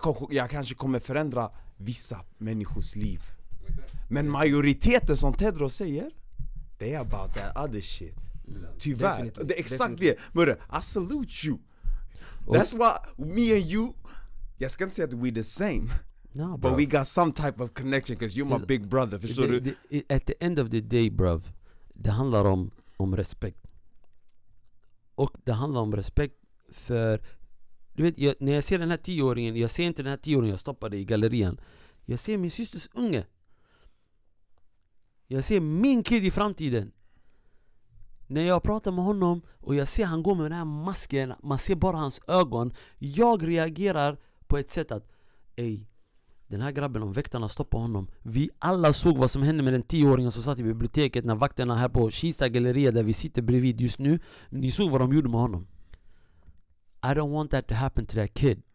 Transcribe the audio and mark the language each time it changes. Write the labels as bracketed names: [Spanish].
[Swedish] Jag kanske kommer förändra vissa människors liv. Men majoriteten, som Tedros säger, [English] they about that other shit. [Swedish] Tyvärr. [English] Definitely. [Swedish] Det är exakt det. [English] Murre, I salute you. That's why me and you, [Swedish] jag ska inte säga att [English] we the same. No, but we got some type of connection because you're my big brother. [Swedish] Förstår du? [English] At the end of the day, bruv, [Swedish] det handlar om respekt. Och det handlar om respekt för... Du vet, när jag ser den här tioåringen, jag ser inte den här tioåringen, jag stoppade i gallerian. Jag ser min systers unge. Jag ser min kid i framtiden. När jag pratar med honom och jag ser han går med den här masken, man ser bara hans ögon. Jag reagerar på ett sätt att, ej, den här grabben, om väktarna stoppar honom. Vi alla såg vad som hände med den tioåringen som satt i biblioteket när vakterna här på Kista galleria där vi sitter bredvid just nu. Ni såg vad de gjorde med honom. [English] I don't want that to happen to that kid.